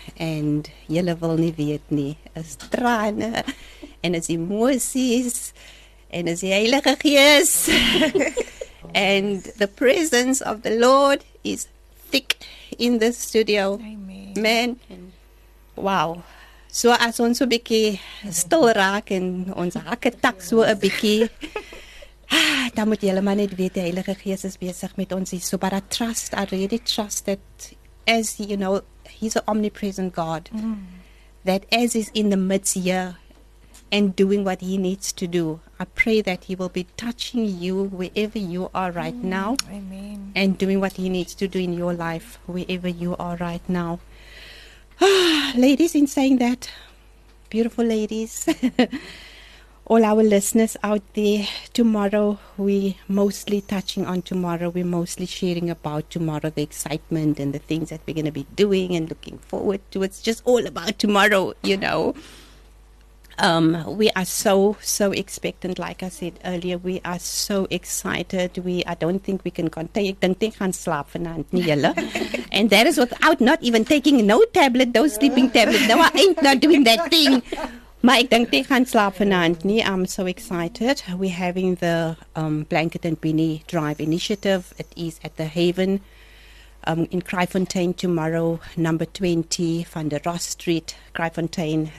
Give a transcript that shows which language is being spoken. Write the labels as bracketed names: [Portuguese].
[Afrikaans] And julle wil nie weet nie, is trane en is emosies. [English] And is the Heilige Geest. And the presence of the Lord is thick in the studio. Amen. Man. Wow. [Afrikaans] So as ons so bietjie stil raak en ons hakke tak so 'n bietjie, dan moet julle maar net weet die Heilige Geest is besig met ons hier. [English] So but I trust, I really trust that as you know, he's an omnipresent God. That as is in the midst here and doing what he needs to do, I pray that he will be touching you wherever you are right now. Amen. And doing what he needs to do in your life wherever you are right now. Ladies, in saying that, beautiful ladies, all our listeners out there, tomorrow we're mostly touching on tomorrow. We're mostly sharing about tomorrow, the excitement and the things that we're going to be doing and looking forward to. It's just all about tomorrow, you know. We are so, so expectant. Like I said earlier, we are so excited. I don't think we can contain. [Afrikaans] Ek dink nie gaan slaap vanaand nie, julle. [English] And that is without not even taking no tablet, no sleeping tablet. No, I ain't not doing that thing. [Afrikaans] Maar ek dink nie gaan slaap vanaand nie. [English] I'm so excited. We're having the Blanket and Beanie Drive Initiative. It is at the Haven in Kraaifontein tomorrow, number 20, Van der Ross Street, Kraaifontein.